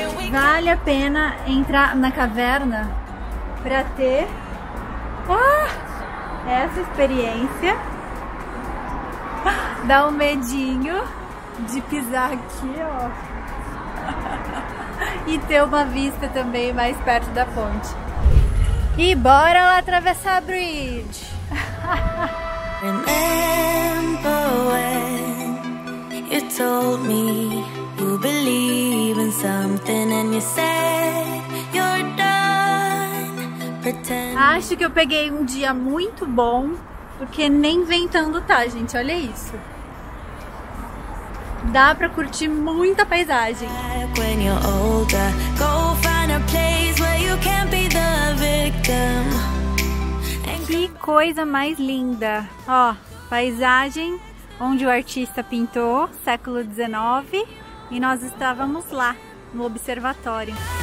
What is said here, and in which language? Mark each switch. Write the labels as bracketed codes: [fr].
[pt] Vale a pena entrar na caverna para ter essa experiência. Dá um medinho de pisar aqui, ó. e ter uma vista também mais perto da ponte. E bora lá atravessar a bridge! [en] Remember when you told me you believe in something and you said you're done. Pretend... [pt] Acho que eu peguei um dia muito bom, porque nem ventando tá, gente, olha isso. Dá pra curtir muita paisagem. [en] When you're older, go find a place where you can be the victim. [pt] Que coisa mais linda! Ó, paisagem onde o artista pintou, século XIX, e nós estávamos lá, no observatório.